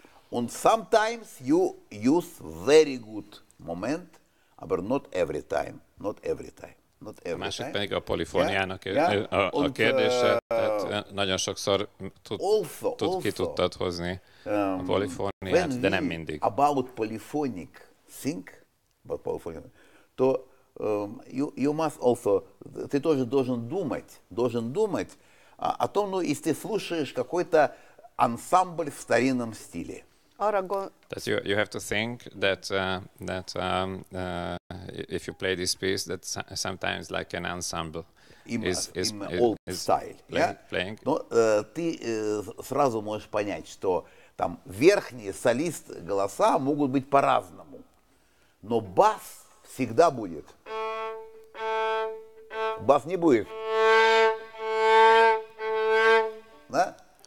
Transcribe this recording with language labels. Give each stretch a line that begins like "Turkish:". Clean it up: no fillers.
English: And sometimes you use very good moment, but not every time. Not every time.
Hungarian: A másik pedig a polifóniának a kérdése, tehát nagyon sokszor ki tudtad hozni a polifóniát, de nem mindig.
English: About polyphonic think, about polyphonic,
Russian: то
English: you must also,
Russian: ты тоже должен думать о том, ну, если слушаешь какой-то ансамбль в старинном стиле.
English: That you have to think that if you play this piece, that sometimes like an ensemble is old style, playing.
Russian: Но ты сразу можешь понять, что там верхние солист голоса могут быть по-разному, но бас всегда будет. Бас не будет, да?